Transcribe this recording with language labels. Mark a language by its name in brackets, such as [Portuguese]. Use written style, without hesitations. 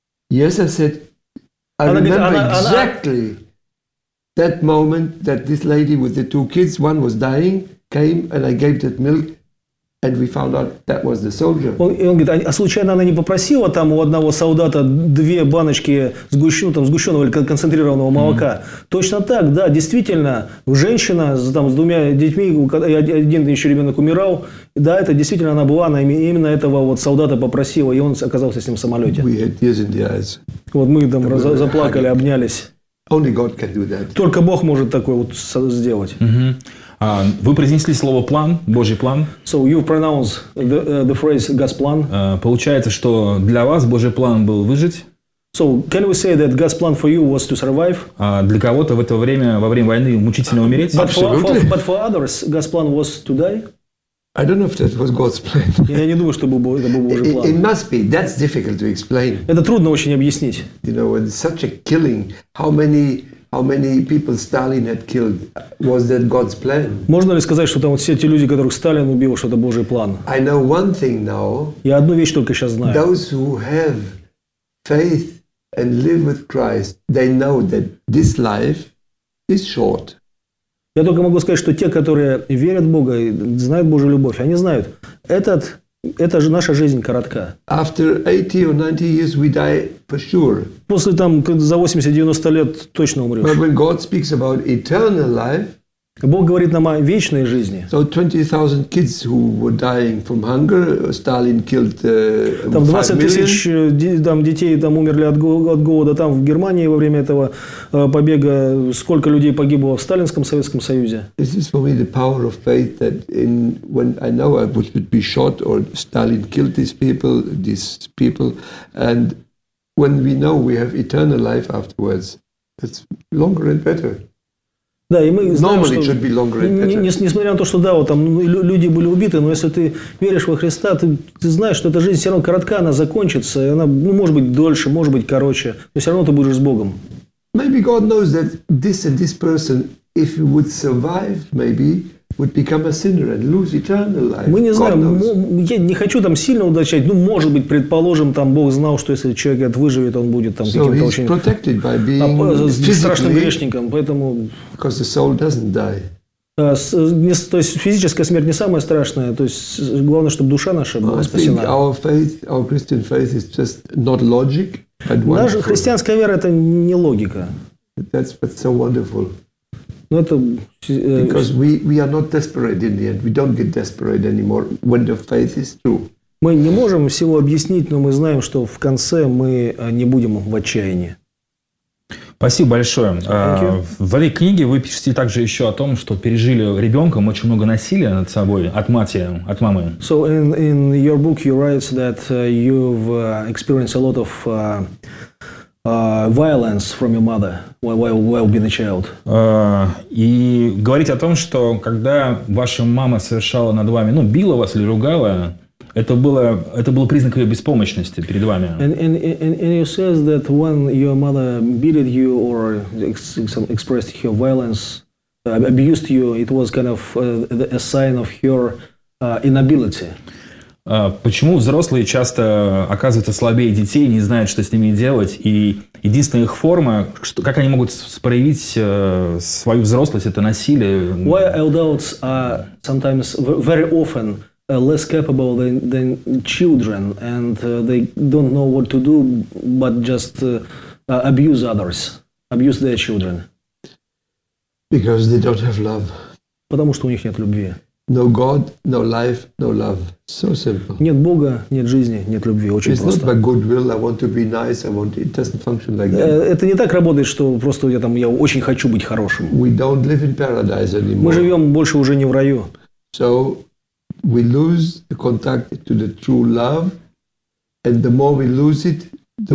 [English] Yes, I said, I remember exactly that moment that this lady with the two kids, one was dying, came and I gave that milk and we found out that was the soldier. [Russian] Он говорит, а случайно она не попросила там у одного солдата две баночки сгущенного или концентрированного молока? Точно так, да, действительно, женщина там, с двумя детьми, один еще ребенок умирал, да, это действительно она была, она именно этого вот солдата попросила, и он оказался с ним в самолете. [English] We had tears in the eyes. [Russian] Вот мы там заплакали, обнялись. [English] Only God can do that. [Russian] Только Бог может такое вот сделать. Вы произнесли слово «план», «Божий план». [English] So you pronounce the phrase «God's plan». [Russian] Получается, что для вас Божий план был выжить. [English] So can we say that God's plan for you was to survive? [Russian] Для кого-то в это время, во время войны, мучительно умереть? [English] But for others, God's plan was to die? I don't know if that was God's plan. [Russian] Я не думаю, что это был Божий план. [English] It must be. That's difficult to explain. [Russian] Это трудно очень объяснить. [English] You know, when such a killing, how many people Stalin had killed? Was that God's plan? [Russian] Можно ли сказать, что там вот все эти люди, которых Сталин убил, что это Божий план? [English] I know one thing now. [Russian] Я одну вещь только сейчас знаю. [English] Those who have faith and live with Christ, they know that this life is short. [Russian] Я только могу сказать, что те, которые верят в Бога и знают Божью любовь, они знают, это же наша жизнь коротка. [English] After 80 or 90 years, we die for sure. [Russian] После там за 80-90 лет точно умрешь. [English] But when God speaks about eternal life, [Russian] Бог говорит нам о вечной жизни. [English] So 20,000 kids who were dying from hunger, Stalin killed 5 million. [Russian] Там 20 тысяч там детей там умерли от голода там в Германии во время этого побега. Сколько людей погибло в Сталинском Советском Союзе? [English] This is for me the power of faith that in when I know I would be shot or Stalin killed these people, and when we know we have eternal life afterwards, it's longer and better. [Russian] Да, и мы знаем, [English] normally, [Russian] что, несмотря на то, что да, вот там люди были убиты, но если ты веришь во Христа, ты знаешь, что эта жизнь все равно коротка, она закончится, и она, ну, может быть дольше, может быть короче, но все равно ты будешь с Богом. [English] Maybe God knows that this and this person, if he would survive, maybe would become a sinner and lose eternal life. [Russian] Мы не знаем, я не хочу там сильно уточнять, ну, может быть, предположим, там Бог знал, что если человек это выживет, он будет там каким-то очень [English] protected by being [Russian] страшным грешником, поэтому... [English] Because the soul doesn't die. [Russian] То есть физическая смерть не самая страшная, то есть главное, чтобы душа наша была спасена. [English] Our faith, our Christian faith is just not logic, but wonderful. [Russian] Наша христианская вера – это не логика. [English] That's what's so wonderful. [Russian] Ну, это, [English] because we are not desperate in the end. We don't get desperate anymore when the faith is true. [Russian] Мы не можем всего объяснить, но мы знаем, что в конце мы не будем в отчаянии. Спасибо большое. В этой книге вы пишете также еще о том, что пережили ребенком очень много насилия над собой от матери, от мамы. [English] So in your book you write that you've experienced a lot of violence from your mother while being a child. [Russian] И говорить о том, что когда ваша мама совершала над вами, ну, била вас или ругала, это было признак ее беспомощности перед вами. [English] And you says that when your mother beat you or expressed her violence, abused you, it was kind of a sign of her inability. [Russian] Почему взрослые часто оказываются слабее детей, не знают, что с ними делать, и единственная их форма, что, как они могут проявить свою взрослость, это насилие? [English] Why adults are sometimes very often less capable than children, and they don't know what to do, but just abuse others, abuse their children. Because they don't have love. [Russian] Потому что у них нет любви. [English] No God, no life, no love. So simple. [Russian] Нет Бога, нет жизни, нет любви. Очень [English] It's [Russian] просто. [English] It's not by goodwill. I want to be nice. I want. It doesn't function like that. [Russian] Это не так работает, что просто я там я очень хочу быть хорошим. [English] We don't live in paradise anymore. [Russian] Мы живем больше уже не в раю. [English] So we lose the contact to the true love, and the more we lose it, the